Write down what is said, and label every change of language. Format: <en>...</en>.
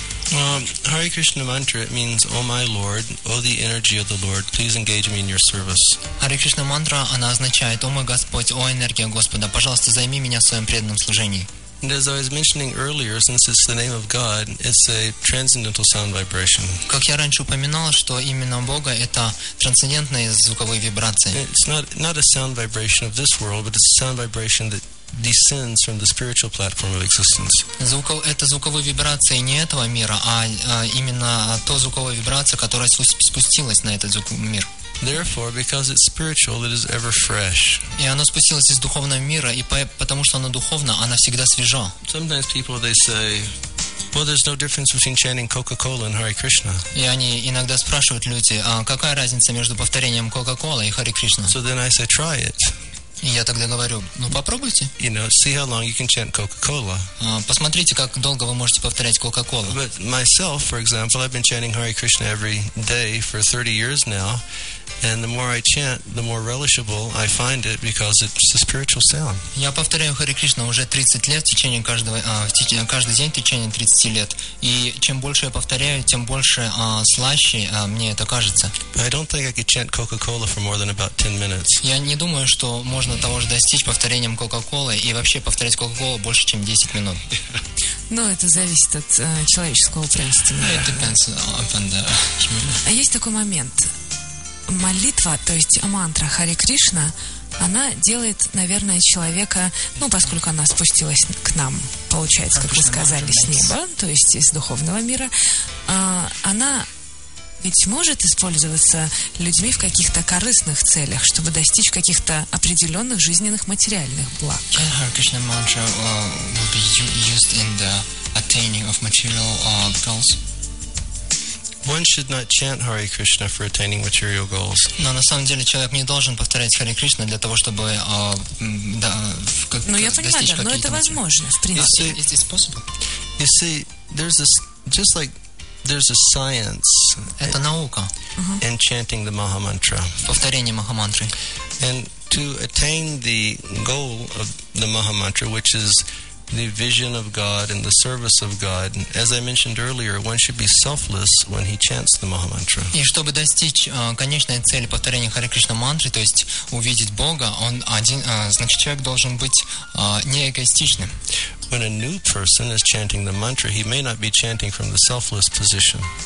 <en>Hare Krishna mantra, it means, O my Lord, O the energy of the Lord, please engage me in your service.</en> <ru>Hare Krishna mantra, она означает, О мой Господь, О энергия Господа, пожалуйста, займи меня в своем преданном служении.</ru> <en>And as I was mentioning earlier, since it's the name of God, it's a transcendental sound vibration.</en> <ru>Как я раньше упоминал, что именно Бога это трансцендентные звуковые вибрации.</ru> <en>It's not a sound vibration of this world, but it's a sound vibration that descends from the spiritual platform of existence.</en> <ru>Это звуковые вибрации не этого мира, а именно то звуковая вибрация, которая спустилась на этот мир.</ru> <en>Therefore, because it's spiritual, it is ever fresh.</en> <ru>И оно спустилось из духовного мира, и потому что оно духовно, оно всегда свежо.</ru> <en>Sometimes people they say, well, there's no difference between chanting Coca-Cola and Hare Krishna.</en> <ru>И они иногда спрашивают люди, а какая разница между повторением Coca-Cola и Hare Krishna?</ru> <en>So then I say, try it.</en> <ru>И я тогда говорю, ну попробуйте.</ru> <en>You know, see how long you can chant Coca-Cola.</en> <ru>Посмотрите, как долго вы можете повторять Coca-Cola.</ru> <en>But myself, for example, I've been chanting Hare Krishna every day for 30 years now. And the more I chant, the more relishable I find it because it's a spiritual sound.</en> <ru>Я повторяю Харе Кришна уже 30 лет в течение каждого, каждый день в течение 30 лет. И чем больше я повторяю, тем больше слаще мне это кажется.</ru> <en>I don't think I could chant Coca-Cola for more than about 10 minutes.</en> <ru>Я не думаю, что можно того же достичь повторением Coca-Cola и вообще повторять Coca-Cola больше, чем 10 минут. Ну, это зависит от человеческого упрямства.</ru> <en>It depends upon the</en> <ru>А есть такой момент. Молитва, то есть мантра Харе Кришна, она делает, наверное, человека, ну, поскольку она спустилась к нам, получается, как вы сказали, с неба, то есть из духовного мира, она ведь может использоваться людьми в каких-то корыстных целях, чтобы достичь каких-то определенных жизненных материальных благ.</ru> <en>Харе Кришна мантра will be used in the attaining of material goals. One should not chant Hare Krishna for attaining material goals.</en> <ru>Но на самом деле человек не должен повторять Харе Кришна для того, чтобы Ну я понимаю, да, но это возможно, в принципе.</ru> <en>Is this possible? You see, there's this just like there's a science.</en> <ru>Это наука.</ru> <en>In chanting the Maha Mantra.</en> <ru>Повторение Маха Мантры.</ru> <en>And to attain the goal of the Maha Mantra, which is the vision of God and the service of God. As I mentioned earlier, one should be selfless when he chants the Maha Mantra.</en> <ru>И чтобы достичь конечной цели повторения Харе Кришна мантры, то есть увидеть Бога, он один, значит, человек должен быть не эгоистичным.</ru> <en>When a new person is chanting the mantra, he may not be chanting from the selfless position.</en>